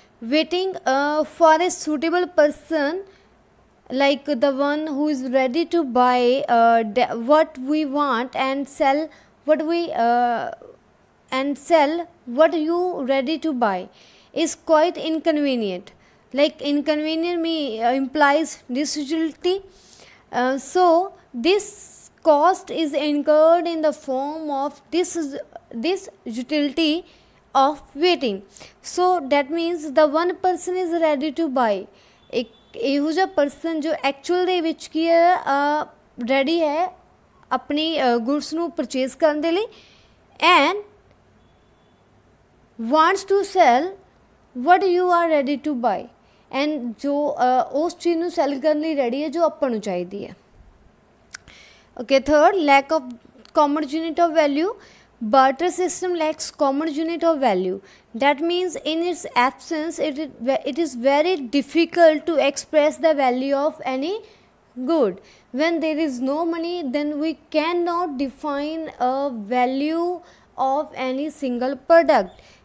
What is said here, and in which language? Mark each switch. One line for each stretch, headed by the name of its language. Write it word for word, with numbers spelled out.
English: Waiting uh, for a suitable person, like the one who is ready to buy uh, the- what we want and sell what we uh, and sell what you ready to buy, is quite inconvenient. Like inconvenient me uh, implies disagility. Uh, so this cost is incurred in the form of this this utility of waiting. So that means the one person is ready to buy,
Punjabi: एक ਇਹੋ ਜਿਹਾ person ਜੋ actual ਦੇ ਵਿੱਚ ਕੀ ਹੈ ready ਹੈ ਆਪਣੀ goods ਨੂੰ ਪਰਚੇਸ ਕਰਨ ਦੇ ਲਈ and
English: wants to sell what you are ready to buy, and
Punjabi: ਜੋ ਅ, ਉਸ ਚੀਜ਼ ਨੂੰ ਸੈਲ ਕਰਨ ਲਈ ਰੈਡੀ ਹੈ ਜੋ ਆਪਾਂ ਨੂੰ ਚਾਹੀਦੀ ਹੈ.
English: Okay, third, lack of common unit of value. Barter system lacks common unit of value. That means in its absence, it is, ve- it is very difficult to express the value of any good. When there is no money, then we cannot define a value of any single product.